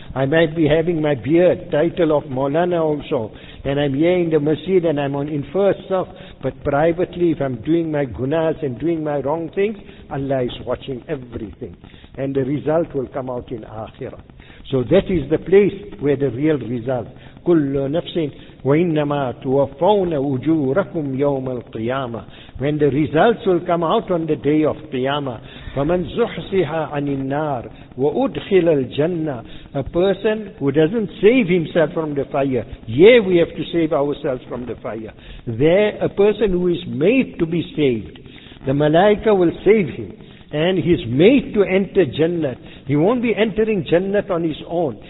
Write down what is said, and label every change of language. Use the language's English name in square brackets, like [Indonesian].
[English] I might be having my beard, title of Maulana also, and I'm here in the masjid and I'm on in first saf, but privately if I'm doing my gunas and doing my wrong things, Allah is watching everything. And the result will come out in akhirah. So that is the place where the real result. [Arabic] كل نفس وإنما توفون أجوركم يوم القيامة. [English] When the results will come out on the day of Qiyamah. [Arabic] فمن زحزح عن النار وأدخل الجنة. [English] A person who doesn't save himself from the fire. Yeah, we have to save ourselves from the fire. There, a person who is made to be saved, the malaika will save him. And he is made to enter Jannah. He won't be entering Jannah on his own.